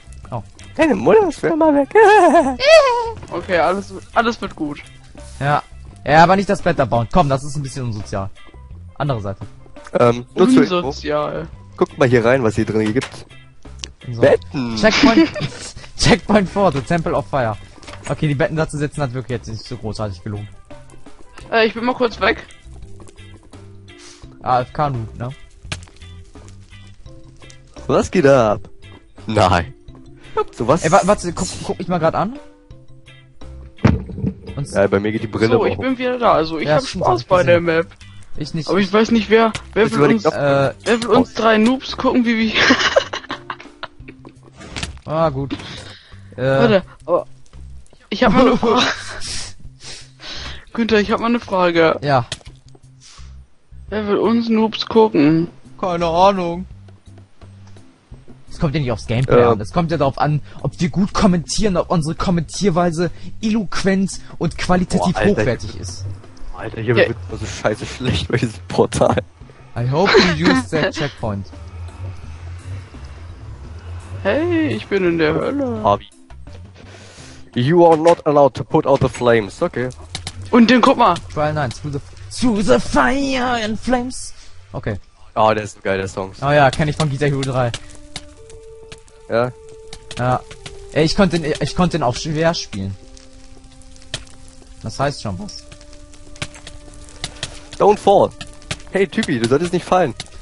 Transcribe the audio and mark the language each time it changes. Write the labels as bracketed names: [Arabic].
[German] Oh. Deine Mutter ist für immer weg. Okay, alles wird gut. Ja. Ja, aber nicht das Bett da bauen. Komm, das ist ein bisschen unsozial. Andere Seite. Unsozial. Guck mal hier rein, was hier drin gibt. So. Betten! Checkpoint. [English] Checkpoint 4, the Temple of Fire. [German] Okay, die Betten dazu setzen hat wirklich jetzt nicht so großartig gelungen. Ich bin mal kurz weg. AFK Noob, ne? Was geht ab? Nein. So was? Ey, warte, guck mich mal gerade an. Und ja, bei mir geht die Brille hoch. So, ich bin wieder da, also ich hab Spaß bei der Map. Ich nicht. Aber ich weiß nicht, wer will uns drei Noobs gucken, wie wir. Ah, gut. Warte. Oh. Ich hab mal eine Frage. Günther, ich hab mal eine Frage. Ja. Wer will uns Noobs gucken? Keine Ahnung. Es kommt ja nicht aufs Gameplay an. Es kommt ja darauf an, ob wir gut kommentieren, ob unsere Kommentierweise eloquent und qualitativ hochwertig ist. Alter, hier wird so also scheiße schlecht bei diesem Portal. [English] I hope you use that checkpoint. [German] Hey, ich bin in der Hölle. Harvey. [English] You are not allowed to put out the flames, okay. [German] Und den guck mal! [English] Trial 9, through the fire and flames. [German] Okay. Oh, der ist geil, der Song. Oh ja, kenn ich von Guitar Hero 3. Ja? Ja. Ey, ich konnte den auch schwer spielen. Das heißt schon was. [English] Don't fall! [German] Hey Typi, du solltest nicht fallen.